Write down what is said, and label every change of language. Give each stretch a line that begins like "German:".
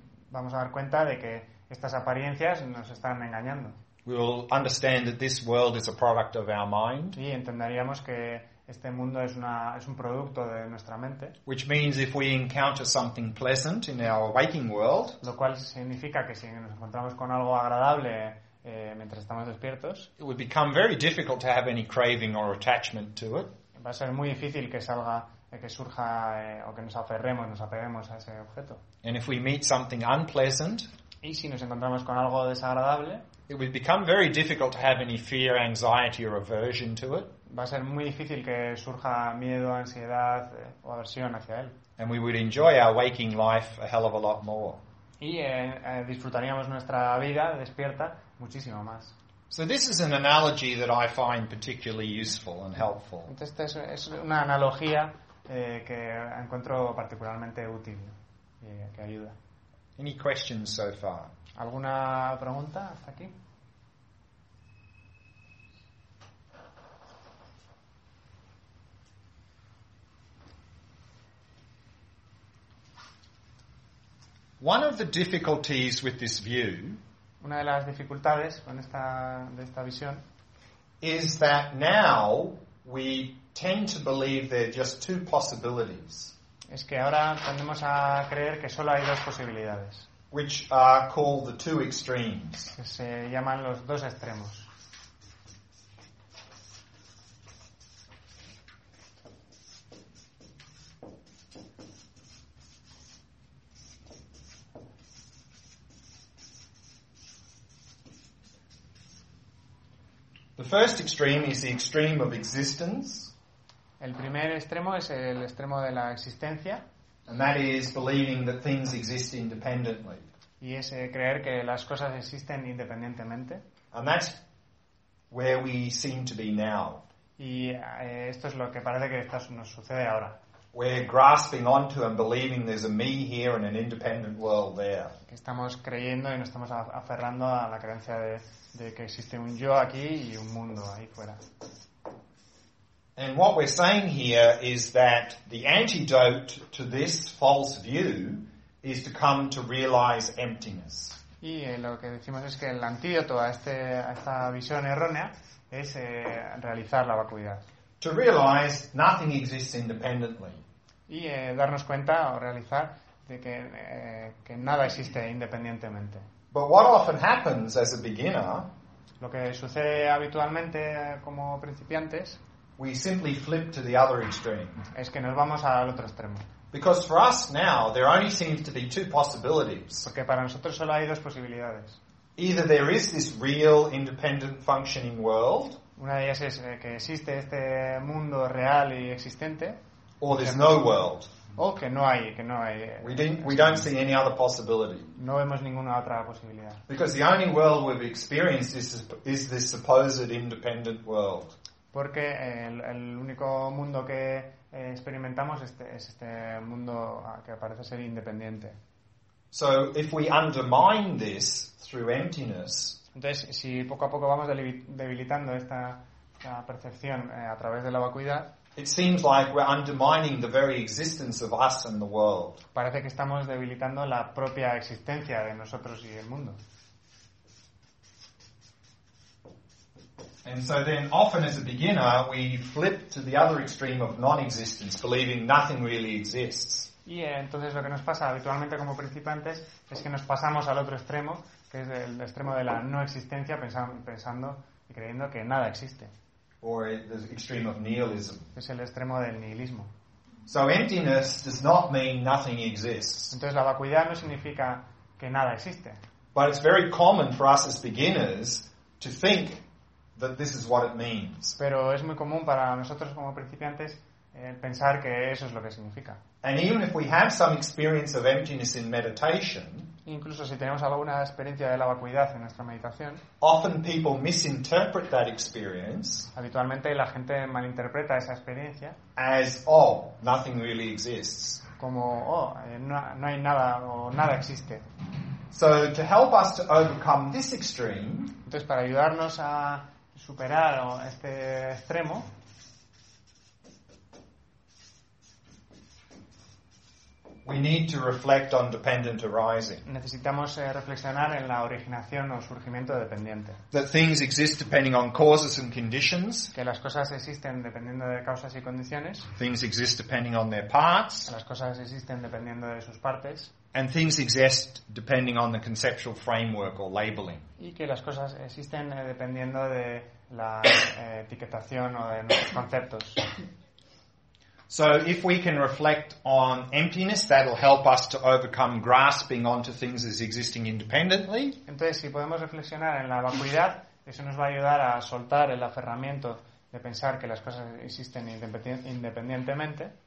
Spanish: Vamos a dar cuenta de que estas apariencias nos están engañando.
English: We will understand that this world is a product of our mind.
Spanish: Y entenderíamos que este mundo es una es un producto de nuestra mente.
English: Which means if we encounter something pleasant in our waking world,
Spanish: lo cual significa que si nos encontramos con algo agradable mientras estamos despiertos,
English: it would become very difficult to have any craving or attachment to it.
Spanish: Va a ser muy difícil que salga, que surja o que nos aferremos, nos apeguemos a ese objeto.
English: And if we meet something unpleasant,
Spanish: y si nos encontramos con algo desagradable,
English: it would become very difficult to have any fear, anxiety or aversion to it.
Spanish: Va a ser muy difícil que surja miedo, ansiedad o aversión hacia él.
English: And we would enjoy our waking life a hell of a lot more.
Spanish: Y disfrutaríamos nuestra vida despierta muchísimo más.
English: So this is an analogy that I find particularly useful and helpful.
Spanish: Esta es una analogía que encuentro particularmente útil y que ayuda.
English: Any questions so far?
Spanish: ¿Alguna pregunta hasta aquí?
English: One of the difficulties with this view,
Spanish: una de las dificultades con esta de esta visión,
English: is that now we tend to believe there are just two possibilities.
Spanish: Es que ahora tendemos a creer que solo hay dos posibilidades,
English: which are called the two extremes.
Spanish: Que se llaman los dos extremos.
English: The first extreme is the extreme of existence.
Spanish: El primer extremo es el extremo de la existencia.
English: And that is believing that things exist independently.
Spanish: Y es creer que las cosas existen independientemente.
English: And that's where we seem to be now.
Spanish: Y esto es lo que parece que esto nos sucede ahora.
English: We're grasping onto and believing there's a me here and an independent world there.
Spanish: Que estamos creyendo y nos estamos aferrando a la creencia de que existe un yo aquí y un mundo ahí fuera.
English: And what we're saying here is that the antidote to this false view is to come to realize emptiness.
Spanish: Y lo que decimos es que el antídoto a este a esta visión errónea es realizar la vacuidad.
English: To realize nothing exists independently.
Spanish: Y darnos cuenta o realizar de que nada existe independientemente.
English: But what often happens as a beginner,
Spanish: lo que sucede habitualmente como principiantes,
English: we simply flip to the other extreme.
Spanish: Es que nos vamos al otro extremo.
English: Because for us now there only seems to be two possibilities.
Spanish: Porque para nosotros solo hay dos posibilidades.
English: Either there is this real independent functioning world.
Spanish: Una de ellas es que existe este mundo real y existente.
English: Or there's no world.
Spanish: O que no hay, que no hay.
English: We don't see any other possibility.
Spanish: No vemos ninguna otra posibilidad.
English: Because the only world we've experienced is this supposed independent world.
Spanish: Porque el único mundo que experimentamos es este mundo que parece ser independiente.
English: So if we undermine this through emptiness.
Spanish: Entonces, si poco a poco vamos debilitando esta, esta percepción a través de la vacuidad,
English: it seems like we're undermining the very existence of us and the world.
Spanish: Parece que estamos debilitando la propia existencia de nosotros y el mundo.
English: And so then, often as a beginner, we flip to the other extreme of non-existence, believing nothing really exists.
Spanish: Y entonces lo que nos pasa habitualmente como principiantes es que nos pasamos al otro extremo, que es el extremo de la no existencia, pensando y creyendo que nada existe.
English: Or the extreme of nihilism.
Spanish: Es el extremo del nihilismo.
English: So emptiness does not mean nothing exists.
Spanish: Entonces la vacuidad no significa que nada existe.
English: But it's very common for us as beginners to think that this is what it means.
Spanish: Pero es muy común para nosotros como principiantes el pensar que eso es lo que significa.
English: And even if we have some experience of emptiness in meditation,
Spanish: incluso si tenemos alguna experiencia de la vacuidad en nuestra meditación,
English: often people misinterpret that experience,
Spanish: habitualmente la gente malinterpreta esa experiencia
English: as, oh, nothing really exists,
Spanish: como oh, no hay nada o nada existe.
English: So to help us to overcome this extreme,
Spanish: entonces para ayudarnos a superar este extremo,
English: we need to reflect on dependent arising.
Spanish: Necesitamos reflexionar en la originación o surgimiento dependiente.
English: That things exist depending on causes and conditions.
Spanish: Que las cosas existen dependiendo de causas y condiciones.
English: Things exist depending on their parts.
Spanish: Las cosas existen dependiendo de sus partes.
English: And things exist depending on the conceptual framework or labeling.
Spanish: Y que las cosas existen dependiendo de la etiquetación o de nuestros conceptos.
English: So if we can reflect on emptiness, that'll help us to overcome grasping onto things as existing independently.
Spanish: Entonces, si podemos reflexionar en la vacuidad, eso nos va a ayudar a soltar el aferramiento de pensar que las cosas existen independientemente.